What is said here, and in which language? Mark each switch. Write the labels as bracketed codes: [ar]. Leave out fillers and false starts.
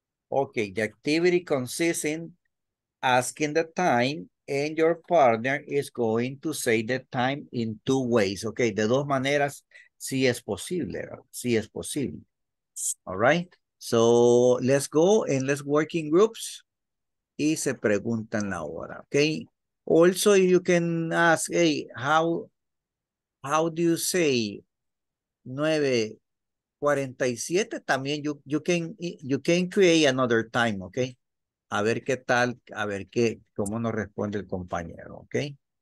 [en] Okay, the activity consists in asking the time, and your partner is going to say the time in two ways. [es] Okay, de dos maneras, si es posible, si es posible. [en] All right, so let's go and let's work in groups. [es] Y se preguntan la hora, [en] okay? Also, you can ask, hey, how do you say 9:47? [es] También [en] you can create another time, okay? [es] A ver qué tal, a ver qué, cómo nos responde el compañero, ¿ok?